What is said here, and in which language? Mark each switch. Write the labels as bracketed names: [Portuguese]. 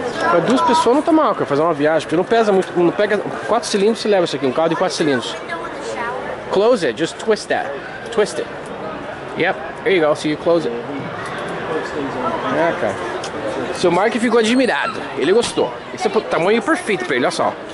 [Portuguese] Pra duas pessoas não tá mal, cara, fazer uma viagem, porque não pesa muito, não pega, quatro cilindros você leva isso aqui, um carro de quatro cilindros. [English] Close it, just twist that. Twist it. Yep, there you go, see you close it. [Portuguese] É, cara. Seu Mark ficou admirado, ele gostou. Esse é o tamanho perfeito pra ele, olha só.